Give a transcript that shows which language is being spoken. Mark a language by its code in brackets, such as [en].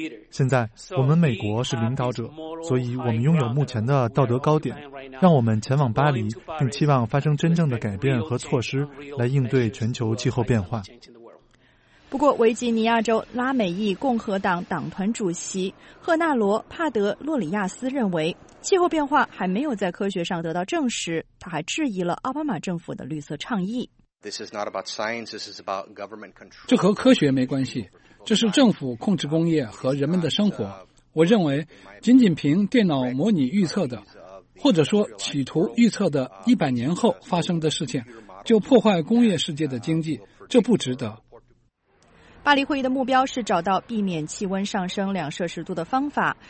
[zh] 现在我们美国是领导者，所以我们拥有目前的道德高点，让我们前往巴黎，并期望发生真正的改变和措施来应对全球气候变化。不过，维吉尼亚州拉美裔共和党党团主席赫纳罗·帕德·洛里亚斯认为，气候变化还没有在科学上得到证实，他还质疑了奥巴马政府的绿色倡议。 [en] This is not about science. This is about government control. [zh] 这和科学没关系，这是政府控制工业和人们的生活。我认为仅仅凭电脑模拟预测的，或者说企图预测的100年后发生的事情，就破坏工业世界的经济，这不值得。巴黎会议的目标是找到避免气温上升两摄氏度的方法。